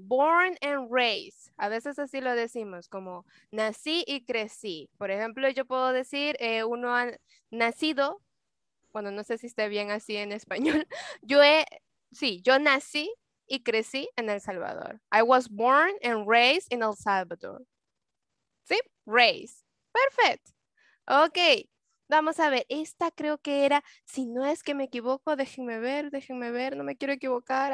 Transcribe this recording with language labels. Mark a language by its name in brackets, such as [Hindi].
[English] Born and raised. [Spanish] A veces así lo decimos, como nací y crecí. Por ejemplo, yo puedo decir, uno ha nacido, bueno, no sé si esté bien así en español. Yo he, sí, yo nací y crecí en El Salvador. [English] I was born and raised in El Salvador. [Spanish] ¿Sí? Raised. Perfecto. Ok. Vamos a ver. Esta creo que era, si no es que me equivoco, déjenme ver, no me quiero equivocar.